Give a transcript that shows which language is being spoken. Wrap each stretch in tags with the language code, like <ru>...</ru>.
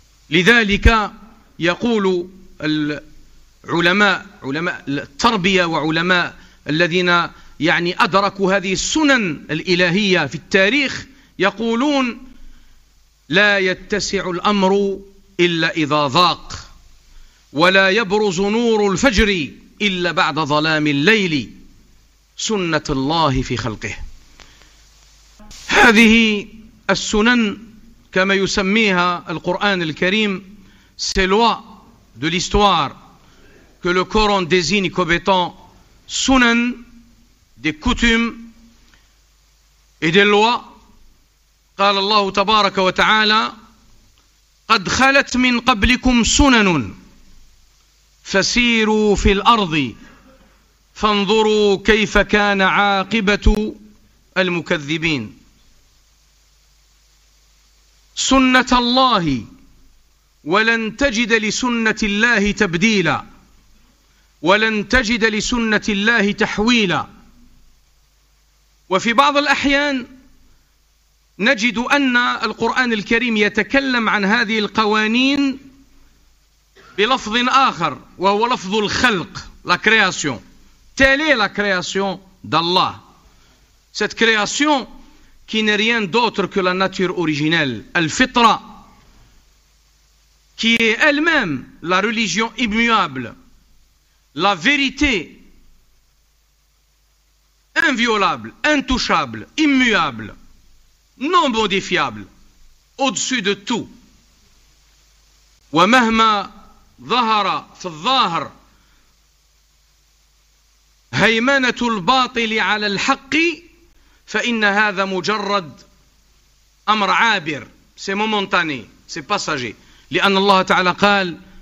<ar>لذلك يقول العلماء، علماء التربية وعلماء الذين يعني أدركوا هذه السنن الإلهية في التاريخ، يقولون: لا يتسع الأمر إلا إذا ضاق، ولا يبرز نور الفجر إلا بعد ظلام الليل، سنة الله في خلقه. هذه السنن كما يسميها القرآن الكريم</ar> <fr>سلوى دو لستوار que le Coran désigne comme étant sunan, des coutumes et des lois.</fr> <ar>قال الله تبارك وتعالى: قد خلت من قبلكم سنن فسيروا في الأرض فانظروا كيف كان عاقبة المكذبين. سنة الله ولن تجد لسنة الله تبديلا، ولن تجد لسنة الله تحويلا. وفي بعض الأحيان نجد أن القرآن الكريم يتكلم عن هذه القوانين بلفظ آخر، وهو لفظ الخلق، la création.</ar> <fr>Telle est la création d'Allah. Cette création qui n'est rien d'autre que la nature originelle, الفطرة، qui est elle-même la religion immuable, la vérité inviolable, intouchable, immuable, non modifiable, au-dessus de tout.</fr> <ar>ومهما ظهر في الظاهر هيمنة الباطل على الحق فإن هذا مجرد أمر عابر،</ar> <fr>c'est momentané, c'est passager.</fr> <ar>لأن الله تعالى قال:</ar>